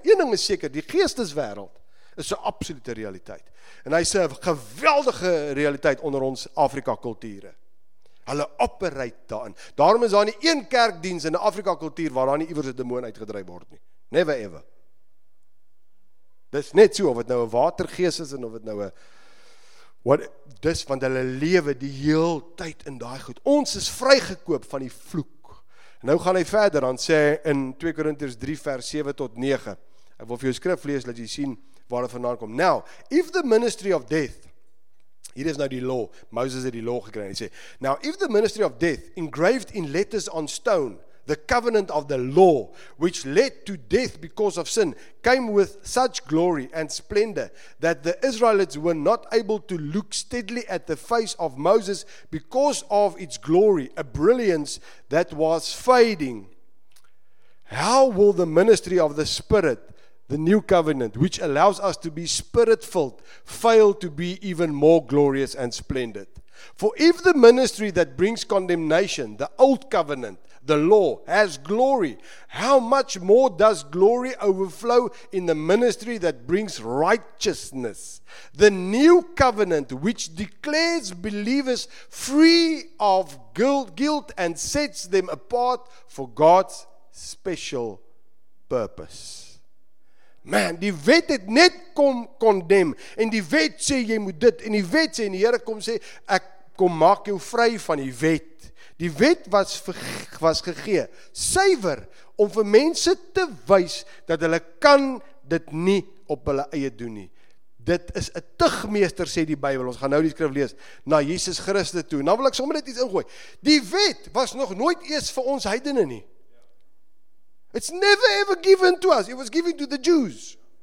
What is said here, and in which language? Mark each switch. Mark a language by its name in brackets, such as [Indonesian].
[Afrikaans] Een ding is seker, die geesteswêreld is 'n absolute realiteit. En hy is 'n geweldige realiteit onder ons Afrika kulture. Hulle operate daarin. Daarom is daar nie een kerkdienst in die Afrika kultuur waar daar nie iewers 'n demoon uitgedryf word nie. [English] Never ever. [Afrikaans] Dis net so, of het nou een watergees is, en of het nou een... Wat dis, want hulle lewe die heel tyd in daai goed. Ons is vrygekoop van die vloek. En nou gaan hy verder, dan sê hy in 2 Korintiërs 3 vers 7 tot 9. Ek wil vir jou skrif lees, dat jy sien waar het vandaan kom. [English] Now, if the ministry of death, [Afrikaans] hier is nou die law, Moses het die law gekry, hy sê, [English] now, if the ministry of death, engraved in letters on stone, the covenant of the law, which led to death because of sin, came with such glory and splendor that the Israelites were not able to look steadily at the face of Moses because of its glory, a brilliance that was fading. How will the ministry of the Spirit, the new covenant, which allows us to be spirit-filled, fail to be even more glorious and splendid? For if the ministry that brings condemnation, the old covenant, the law, has glory, how much more does glory overflow in the ministry that brings righteousness? The new covenant, which declares believers free of guilt and sets them apart for God's special purpose. [Afrikaans] Man, die wet het net kom condemn, en die wet sê jy moet dit, en die wet sê, en die Here kom sê, ek kom maak jou vry van die wet. Die wet was gegee, suiwer, om vir mense te wys, dat hulle kan dit nie op hulle eie doen nie. Dit is 'n tigmeester, sê die Bybel, ons gaan nou die skrif lees, na Jesus Christus toe, en dan wil ek sommer net iets ingooi. Die wet was nog nooit eers vir ons heidene nie. [English] It's never ever given to us. It was given to the Jews.